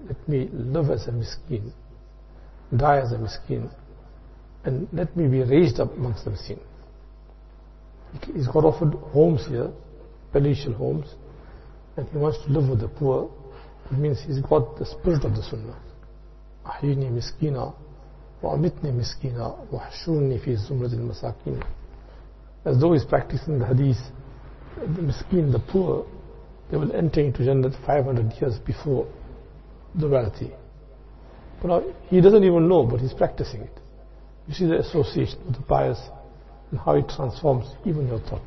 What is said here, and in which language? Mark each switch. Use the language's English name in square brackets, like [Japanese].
[English] Let me live as a miskin, die as a miskin, and let me be raised up amongst the miskin. He's got offered homes here, palatial homes, and he wants to live with the poor. It means he's got the spirit of the sunnah. [Arabic] أحيني مسكينا وأمتني مسكينا وحشوني في زمرة المساكين. [English] As though he's practicing the hadith, the miskin, the poor, they will enter into Jannah 500 years before the wealthy. But now, he doesn't even know, but he's practicing it. You see the association with the pious and how it transforms even your thought.